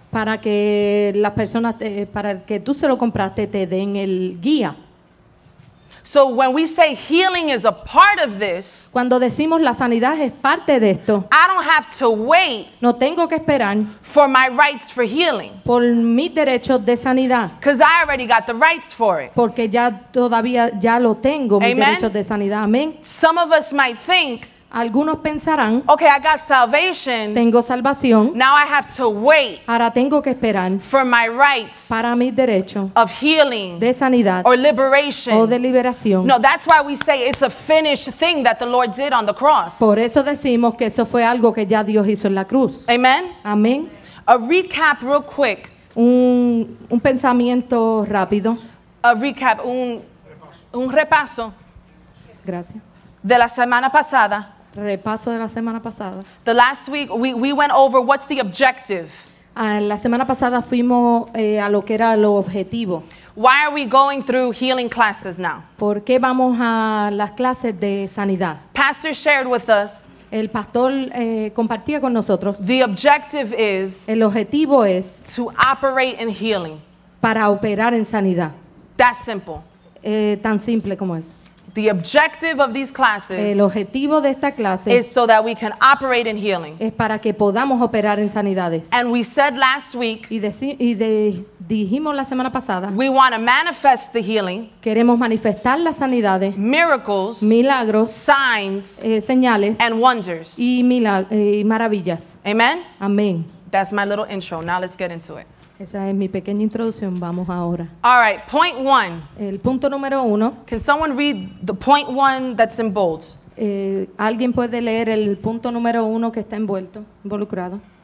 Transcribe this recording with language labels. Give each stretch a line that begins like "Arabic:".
Spanish: Para que las personas, para que tú se lo compraste, te den el guía.
English: So when we say healing is a part of this,
Spanish: cuando decimos la sanidad es parte de esto,
English: I don't have to wait.
Spanish: No tengo que esperar
English: for my rights for healing.
Spanish: Por mis derechos de sanidad.
English: Because I already got the rights for it.
Spanish: Porque ya todavía ya lo tengo.
English: Amen.
Spanish: Mis derechos de sanidad. Amén.
English: Some of us might think.
Spanish: Algunos pensarán.
English: Okay, I got salvation.
Spanish: Tengo salvación.
English: Now I have to wait.
Spanish: Ahora tengo que esperar.
English: For my rights.
Spanish: Para mis derechos.
English: Of healing.
Spanish: De sanidad.
English: Or liberation.
Spanish: O de liberación.
English: No, that's why we say it's a finished thing that the Lord did on the cross.
Spanish: Por eso decimos que eso fue algo que ya Dios hizo en la cruz.
English: Amen.
Spanish: Amén.
English: A recap real quick.
Spanish: Un pensamiento rápido.
English: A recap,
Spanish: un repaso. Gracias. De la semana pasada. Repaso de la semana pasada.
English: The last week we went over what's the objective.
Spanish: La semana pasada fuimos a lo que era lo objetivo.
English: Why are we going through healing classes now?
Spanish: ¿Por qué vamos a las clases de sanidad?
English: Pastor shared with us.
Spanish: El pastor compartía con nosotros.
English: The objective is.
Spanish: El objetivo es.
English: To operate in healing.
Spanish: Para operar en sanidad.
English: That simple.
Spanish: Tan simple como es.
English: The objective of these classes.
Spanish: El objetivo de esta clase
English: is so that we can operate in healing.
Spanish: Es para que podamos operar en sanidades.
English: And we said last week.
Spanish: Y dijimos la semana pasada.
English: We want to manifest the healing.
Spanish: Queremos manifestar las sanidades.
English: Miracles.
Spanish: Milagros.
English: Signs.
Spanish: Señales.
English: And wonders.
Spanish: Y maravillas.
English: Amen.
Spanish: Amén.
English: That's my little intro. Now let's get into it.
Spanish: Esa es mi pequeña introducción. Vamos ahora.
English: All right, point one.
Spanish: El punto número uno.
English: Can someone read the point one that's in bold?
Spanish: ¿Alguien puede leer el punto número uno que está involucrado?